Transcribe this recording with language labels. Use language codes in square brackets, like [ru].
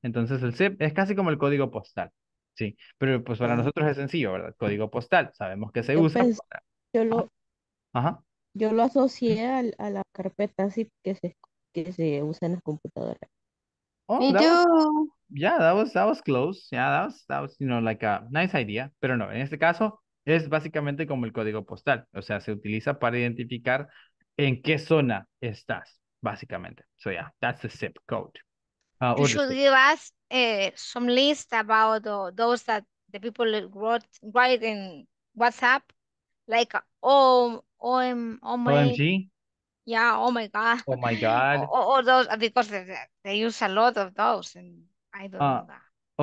[es] Entonces, el CEP es casi como el código postal, ¿sí? Pero pues para nosotros es sencillo, ¿verdad? Código postal, sabemos que se usa. Yo lo asocié a la carpeta zip que se usa en las computadoras. [en] Oh, me too. Yeah, that was close. Yeah, that was you know, like a nice idea. [es] Pero no, en este caso es básicamente como el código postal. O sea, se utiliza para identificar en qué zona estás, básicamente. [en] So yeah, that's the zip code. You should give us some list about those that the people write in WhatsApp, like OMG. Yeah, oh my god. Oh my god. Or those, because they use a lot of those, and I don't know that.